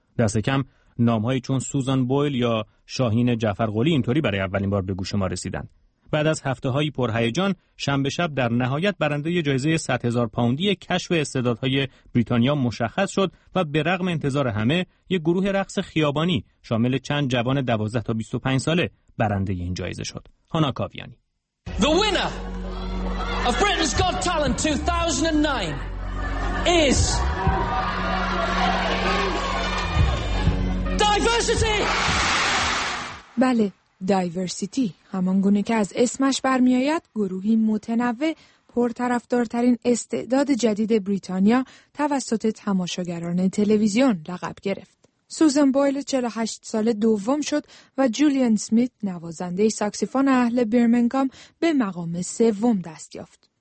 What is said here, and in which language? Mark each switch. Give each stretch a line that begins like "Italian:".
Persian: دست کم نام‌هایی چون سوزان بویل یا شاهین جعفرقلی اینطوری برای اولین بار به گوش ما رسیدن. بعد از هفته‌های پرهیجان شنبه شب در نهایت برنده جایزه 100,000 پوندی کشف استعدادهای بریتانیا مشخص شد و به رغم انتظار همه یک گروه رقص خیابانی شامل چند جوان 12 تا 25 ساله برنده این جایزه شد. هانا کاویانی:
English: The winner of Britain's Got Talent 2009 is Diversity.
Persian: بله، دایورسیتی، همان گونه که از اسمش برمی آید، گروهی متنوع پرطرفدارترین استعداد جدید بریتانیا توسط تماشاگران تلویزیون لقب گرفت. سوزن بویل 48 ساله دوم شد و جولیان سمیت نوازنده ساکسیفون اهل برمنگام به مقام سوم دست یافت.